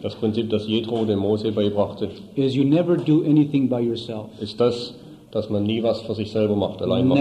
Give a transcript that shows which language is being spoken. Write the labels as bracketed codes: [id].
[de] Das Prinzip, das Jethro dem Mose beibrachte. [en] Is you never do anything by yourself. [de] Ist das, dass man nie was für sich selber macht, allein macht.